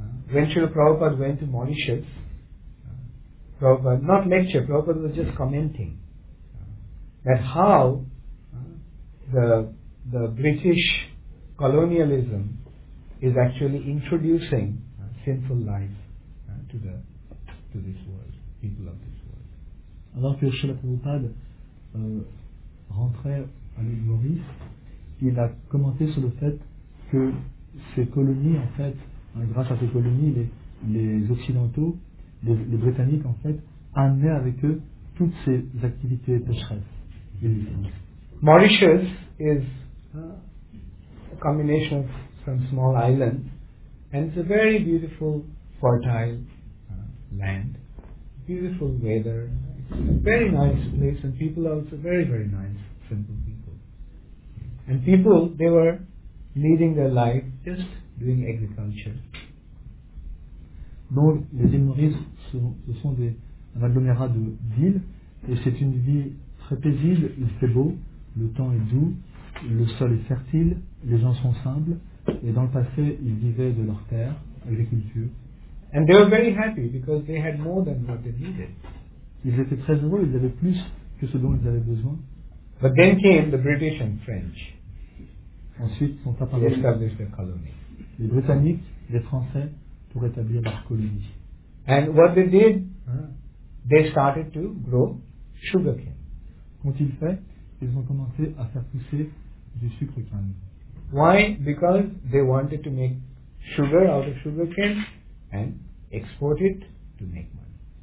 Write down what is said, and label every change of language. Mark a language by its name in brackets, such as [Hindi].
[English] When Srila Prabhupada went to Mauritius, Prabhupada was just commenting that how the British colonialism is actually introducing sinful life to this world, people of this world. [French] Alors que Srila Prabhupada rentrait à l'île Maurice, il a commenté sur le fait que ces colonies, en fait, grâce à ces colonies, les Occidentaux, les Britanniques, en fait, amenaient avec eux toutes ces activités pécheresses. [English] Mauritius is a combination of some small islands, and it's a very beautiful, fertile land. Beautiful weather. It's a very nice place, and people are also very, very nice, simple people. And people, they were leading their life just doing agriculture. [French] Donc, les îles Maurice, ce sont un agglomérat de villes, et c'est une vie très paisible. Il fait beau, le temps est doux, le sol est fertile, les gens sont simples, et dans le passé, ils vivaient de leur terre, agriculture. [English] And they were very happy because they had more than what they needed. [French] Ils étaient très heureux, ils avaient plus que ce dont ils avaient besoin. [English] But then came the British and French. [French] Ensuite, sont apparus les Britanniques, les Français, pour établir leur colonie. [English] And what they did, they started to grow sugarcane. [French] Qu'ont-ils fait? Ils ont commencé à faire pousser du sucre cane. [English] Why? Because they wanted to make sugar out of sugarcane and export it to make money.